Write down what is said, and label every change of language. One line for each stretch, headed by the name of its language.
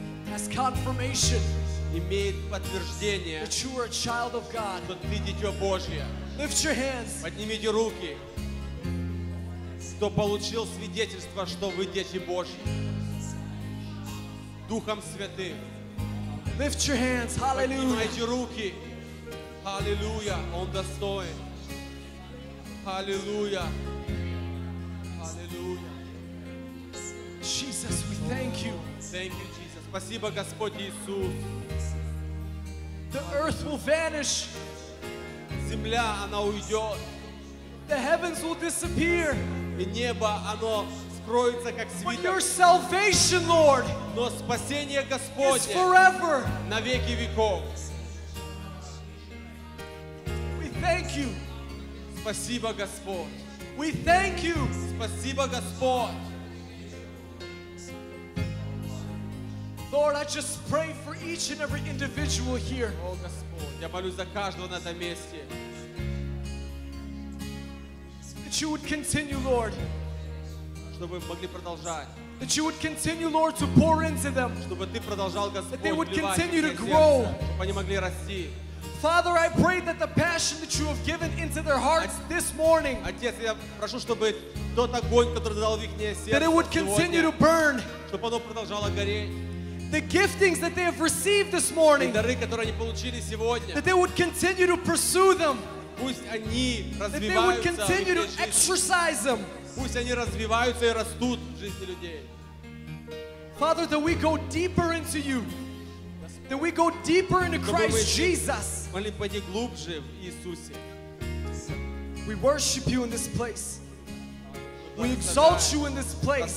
English: has confirmation that you are a child of God? Lift your hands.
Russian: Поднимите руки. Кто получил свидетельство, что вы дети Божьи? Духом Святым.
English: Lift your hands. Hallelujah.
Russian: Поднимите руки. Hallelujah. Он достоин. Hallelujah.
English: Jesus, we thank you. Thank you, Jesus.
Russian: Спасибо, Господь Иисус.
English: The earth will vanish.
Russian: Земля, она уйдет.
English: The heavens will disappear.
Russian: И небо, оно скроется, как свиток.
English: But your salvation, Lord,
Russian: но спасение Господне
English: is forever.
Russian: На веки веков.
English: We thank you.
Russian: Спасибо, Господь.
English: We thank you.
Russian: Спасибо, Господь.
English: Lord, I just pray for each and every individual here.
Russian: О Господь, я молюсь за каждого на этом месте.
English: That you would continue, Lord.
Russian: Чтобы могли продолжать.
English: That you would continue, Lord, to pour into them.
Russian: Чтобы ты продолжал, Господь, вливать.
English: That they would continue to grow.
Russian: Чтобы они могли расти.
English: Father, I pray that the passion that you have given into their hearts this morning.
Russian: Отец, я прошу, чтобы тот огонь, который дал в их сердце,
English: that it would continue to burn.
Russian: Чтобы оно продолжало гореть.
English: The giftings that they have received this morning,
Russian: дары, которые они получили сегодня,
English: that they would continue to pursue them,
Russian: пусть они развиваются,
English: that they would continue to exercise them,
Russian: пусть они развиваются и растут в жизни людей.
English: Father, that we go deeper into you, that we go deeper into Christ Jesus.
Russian: Пойди глубже в Иисусе.
English: We worship you in this place. We exalt you in this place.